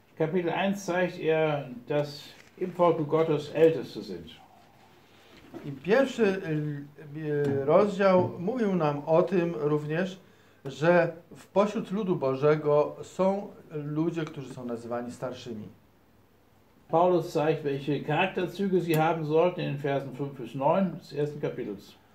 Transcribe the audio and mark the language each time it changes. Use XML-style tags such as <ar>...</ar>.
<de>Kapitel 1 zeigt er, dass im Volk Gottes Älteste sind.</de> <pl>I pierwszy rozdział mówił nam o tym również, że w pośród ludu Bożego są ludzie, którzy są nazywani starszymi.</pl> <de>Paulus zeigt, welche Charakterzüge sie haben sollten in Versen 5-9 des ersten Kapitels.</de>